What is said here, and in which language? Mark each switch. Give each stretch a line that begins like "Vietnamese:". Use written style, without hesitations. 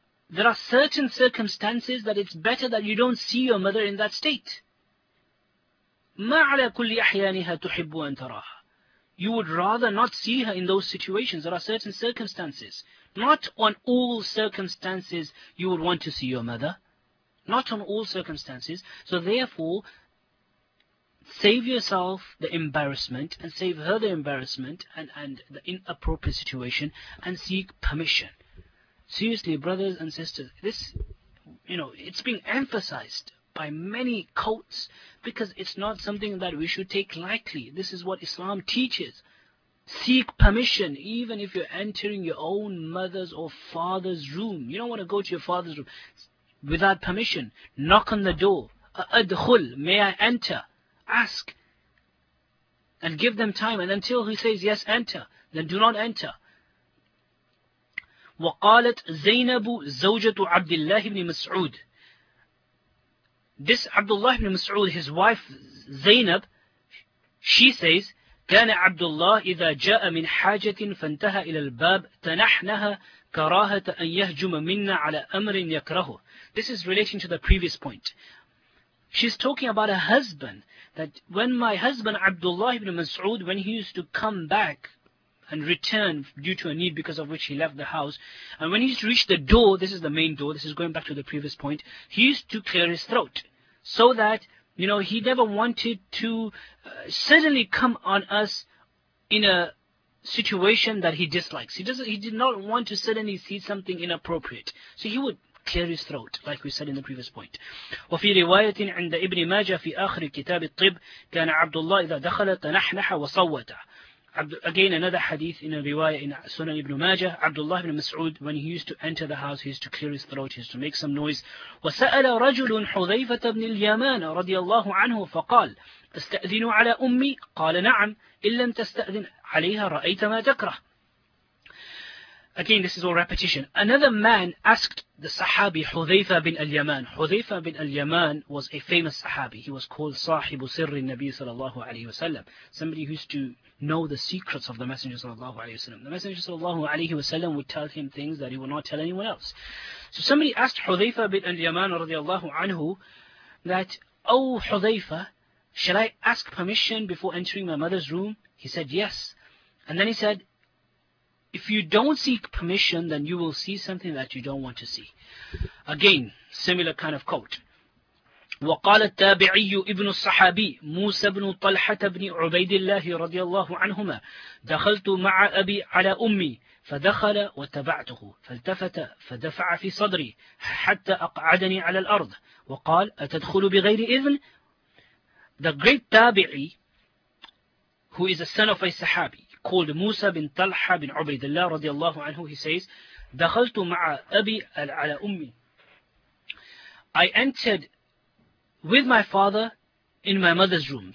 English: There are certain circumstances that it's better that you don't see your mother in that state.
Arabic: مَا عَلَى كُلِّ أَحْيَانِهَا تُحِبُّ أَن تَرَاهَا.
English: You would rather not see her in those situations. There are certain circumstances. Not on all circumstances you would want to see your mother. Not on all circumstances. So therefore, save yourself the embarrassment and save her the embarrassment and the inappropriate situation and seek permission. Seriously, brothers and sisters, this, you know, it's being emphasized by many cults because it's not something that we should take lightly. This is what Islam teaches. Seek permission, even if you're entering your own mother's or father's room. You don't want to go to your father's room without permission. Knock on the door. Adkhul, may I enter? Ask. And give them time. And until he says, yes, enter, then do not enter.
Arabic: وقالت زينب زوجة عبد الله بن مسعود.
English: This Abdullah ibn Mas'ud, his wife Zainab, she says,
Arabic: كان عبد الله إذا جاء من حاجة فانتهى إلى الباب تنحنها كراهة أن يهجم منا على أمر يكرهه.
English: This is relating to the previous point. She's talking about her husband, that when my husband Abdullah ibn Mas'ud, when he used to come back and return due to a need because of which he left the house, and when he used to reach the door, this is the main door, this is going back to the previous point, he used to clear his throat so that, you know, he never wanted to suddenly come on us in a situation that he dislikes. He did not want to suddenly see something inappropriate, so he would clear his throat, like we said in the previous point.
Arabic: وفي رواية عند ابن ماجة في آخر كتاب الطب كان عبد الله إذا دخل تنحنح وصوت.
English: Again, another hadith in a riwayah in Sunan ibn Majah, Abdullah ibn Mas'ud, when he used to enter the house, he used to clear his throat, he used to make some noise.
Arabic: وَسَأَلَ رَجُلٌ حُذَيْفَةَ بْنِ الْيَمَانَ رَضِيَ اللَّهُ عَنْهُ فَقَالَ أَسْتَأْذِنُ عَلَىٰ أُمِّي؟ قَالَ نَعَمْ إِنْ لَمْ تَسْتَأْذِنْ عَلَيْهَا رَأَيْتَ مَا تَكْرَهُ.
English: Again, this is all repetition. Another man asked the Sahabi Hudhayfa bin al-Yaman. Hudhayfa bin al-Yaman was a famous Sahabi. He was called Sahib Sirr al-Nabi sallallahu alayhi wasallam. Somebody who used to know the secrets of the Messenger sallallahu alayhi wasallam. The Messenger sallallahu alayhi wasallam would tell him things that he would not tell anyone else. So somebody asked Hudhayfa bin al-Yaman radiallahu anhu that, "Oh Hudhayfa, shall I ask permission before entering my mother's room?" He said, "Yes." And then he said, "If you don't seek permission, then you will see something that you don't want to see." Again, similar kind of quote.
Arabic: وقال التابعي ابن الصحابي موسى بن طلحة بن عبيد الله رضي الله عنهما دخلت مع أبي على أمي فدخل وتبعته فالتفت فدفع في صدري حتى أقعدني على الأرض وقال أتدخل بغير إذن.
English: The great tabi'i, who is a son of a sahabi called Musa bin Talha bin Ubaidillah radiallahu anhu, he says,
Arabic: دخلت مع أبي على أمي.
English: I entered with my father in my mother's room.